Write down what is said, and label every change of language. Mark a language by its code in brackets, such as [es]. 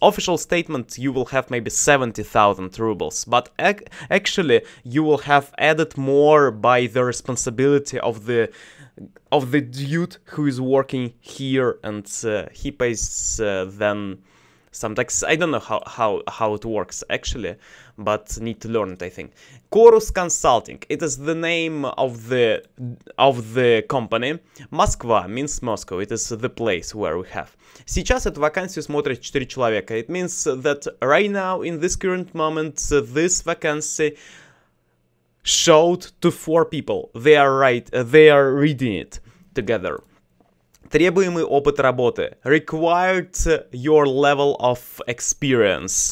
[en] Official statement you will have maybe 70,000 rubles, but actually you will have added more by the responsibility of the dude who is working here, and he pays then some tax. I don't know how it works actually, but need to learn it, I think. Chorus Consulting, it is the name of the company. Москва means Moscow, it is the place where we have. [ru] Сейчас эту вакансию смотрят 4 человека. [en] It means that right now, in this current moment, this vacancy showed to 4 people. They are right. They are reading it together. [ru] Требуемый опыт работы. [en] Required your level of experience.